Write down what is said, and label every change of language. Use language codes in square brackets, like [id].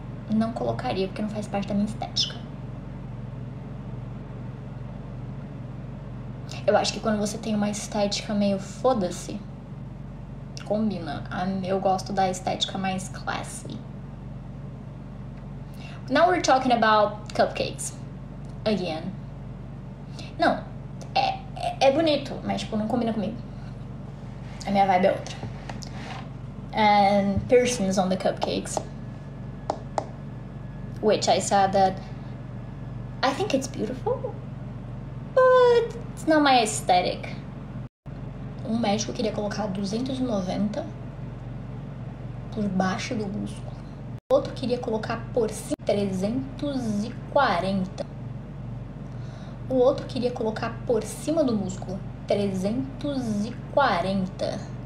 [pt] Não colocaria, porque não faz parte da minha estética. Eu acho que quando você tem uma estética meio foda-se, combina. Eu gosto da estética mais classy. [en] Now we're talking about cupcakes. Again. [pt] Não, é bonito, mas tipo, não combina comigo. A minha vibe é outra. [en] And piercings on the cupcakes. Which I said that I think it's beautiful, it's not my aesthetic. [pt] Um médico queria colocar 290 por baixo do músculo. Outro queria colocar por cima 340. O outro queria colocar por cima do músculo 340.